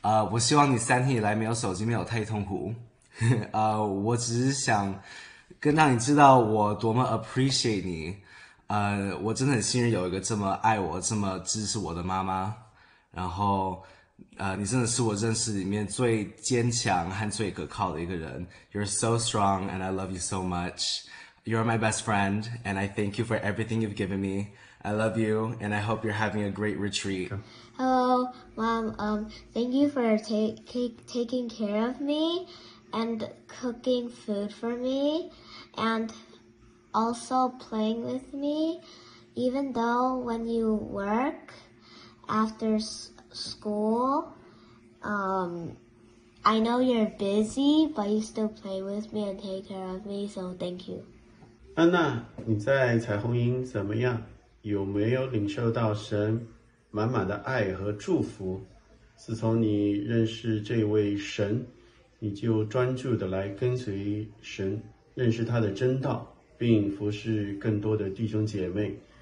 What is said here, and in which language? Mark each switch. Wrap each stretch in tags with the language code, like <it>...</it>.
<zh>我希望你三天以来没有手机，没有太痛苦。我只是想跟让你知道我多么 appreciate 你。我真的很幸运有一个这么爱我、这么支持我的妈妈。然后，你真的是我认识里面最坚强和最可靠的一个人。</zh> <en>You're so strong and I love you so much. You're my best friend and I thank you for everything you've given me. I love you and I hope you're having a great retreat. Hello, Mom. Thank you for taking care of me and cooking food for me and also playing with me. Even though when you work after school, I know you're busy, but you still play with me and take care of me, so thank you.</en> <zh>安娜，你在彩虹营怎么样？有没有领受到神满满的爱和祝福？自从你认识这位神，你就专注地来跟随神，认识他的真道，并服侍更多的弟兄姐妹。</zh>